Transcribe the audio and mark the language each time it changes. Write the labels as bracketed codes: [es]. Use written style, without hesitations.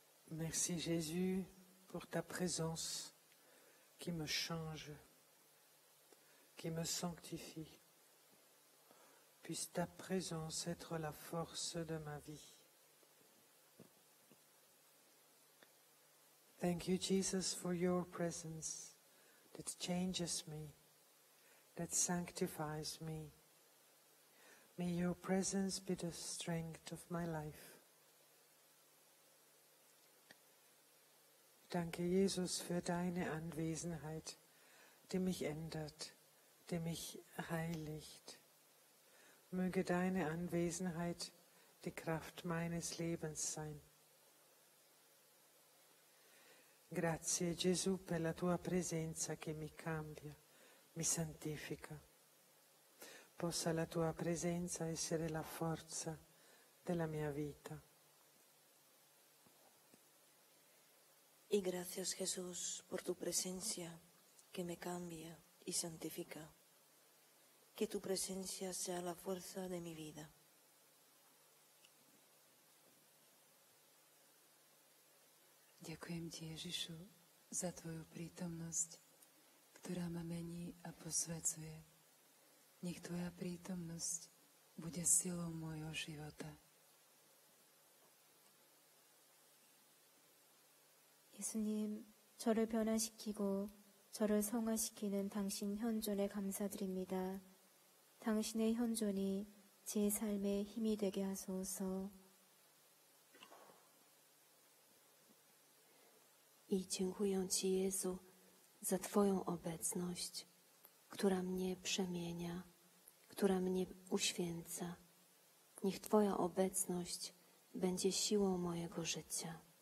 [fr] Merci Jésus pour ta présence qui me change, qui me sanctifie. Puisse ta présence être la force de ma vie. [en] Thank you Jesus for your presence that changes me, that sanctifies me. May your presence be the strength of my life. [de] Danke, Jesus, für deine Anwesenheit, die mich ändert, die mich heiligt. Möge deine Anwesenheit die Kraft meines Lebens sein. [it] Grazie, Gesù, per la tua presenza che mi cambia, mi santifica. Possa la tua presenza essere la forza della mia vita. [es] Y gracias, Jesús, por tu presencia que me cambia y santifica. Que tu presencia sea la fuerza de mi vida. [sk] Ďakujem ti, Ježišu, za tvoju prítomnosť, ktorá ma mení a posvecuje. Nech tvoja prítomnosť bude silou mojho života. [ko] Jesus님, 저를 변화시키고 저를 성화시키는 당신 현존에 감사드립니다. 당신의 현존이 제 삶의 힘이 되게 하소서. [pl] 이 dziękuję Ci, Jezu, za Twoją obecność, która mnie przemienia, która mnie uświęca. Niech Twoja obecność będzie siłą mojego życia.